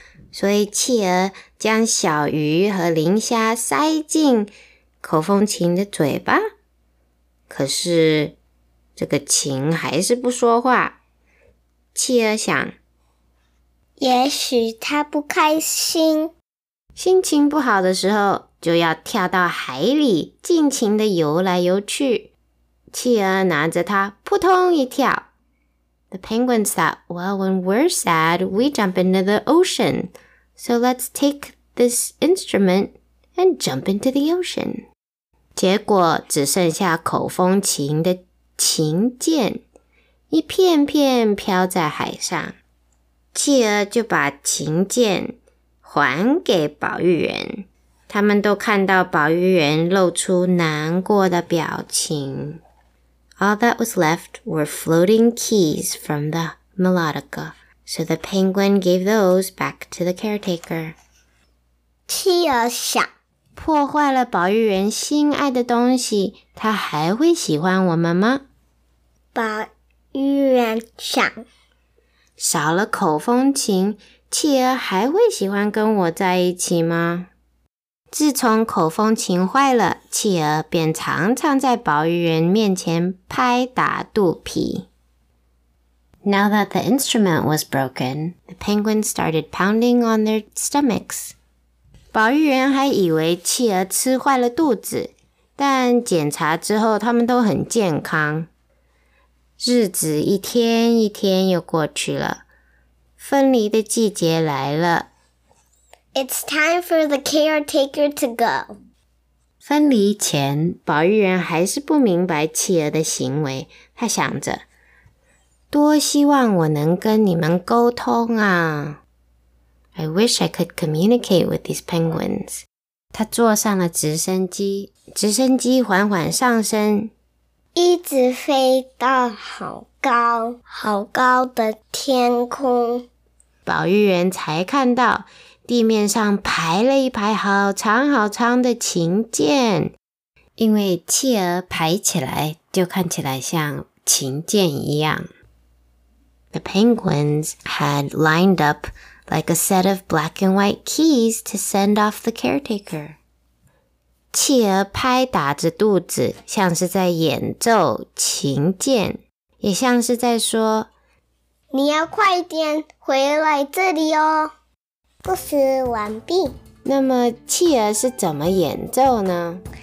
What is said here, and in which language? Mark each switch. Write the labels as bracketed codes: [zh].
[zh] 所以企鹅将小鱼和磷虾塞进口风琴的嘴巴，可是这个琴还是不说话。企鹅想，也许他不开心。心情不好的时候，就要跳到海里，尽情地游来游去。企鹅拿着它，扑通一跳。 [en] The penguins thought, well, when we're sad, we jump into the ocean. So let's take this instrument and jump into the ocean. [zh] 结果只剩下口风琴的琴键，一片片飘在海上。企鹅就把琴键还给保育员，他们都看到保育员露出难过的表情。 [en] All that was left were floating keys from the melodica, so the penguin gave those back to the caretaker. [zh] 企鹅想，破坏了保育员心爱的东西，他还会喜欢我们吗？保育员想，少了口风琴，企鹅还会喜欢跟我在一起吗？自从口风琴坏了，企鹅便常常在保育员面前拍打肚皮。 [en] Now that the instrument was broken, the penguins started pounding on their stomachs. [zh] 保育员还以为企鹅吃坏了肚子，但检查之后他们都很健康。日子一天一天又过去了，分离的季节来了。 [en] It's time for the caretaker to go. [zh] 分离前，保育员还是不明白企鹅的行为。他想着，多希望我能跟你们沟通啊。 [en] I wish I could communicate with these penguins. [zh] 他坐上了直升机，直升机缓缓上升，一直飞到好高，好高的天空。保育员才看到地面上排了一排好长好长的琴键，因为企鹅排起来就看起来像琴键一样。 [en] The penguins had lined up like a set of black and white keys to send off the caretaker. [zh] 企鹅拍打着肚子，像是在演奏琴键，也像是在说： 你要快点回来这里哦。故事完毕。那么企鹅是怎么演奏呢？